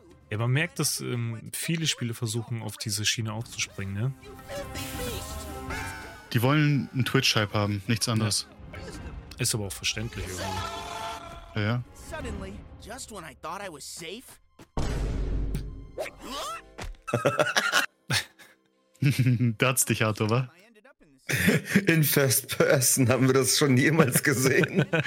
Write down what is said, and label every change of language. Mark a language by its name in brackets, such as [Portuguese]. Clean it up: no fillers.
[German] Ja, man merkt, dass viele Spiele versuchen, auf diese Schiene aufzuspringen, ne? Die wollen einen Twitch-Hype haben, nichts anderes. Ja. Ist aber auch verständlich, irgendwie. Ja, ja. [English] Suddenly, just when I thought I was safe. [German] Dats dich, Arthur, wa? In First Person haben wir das schon jemals gesehen.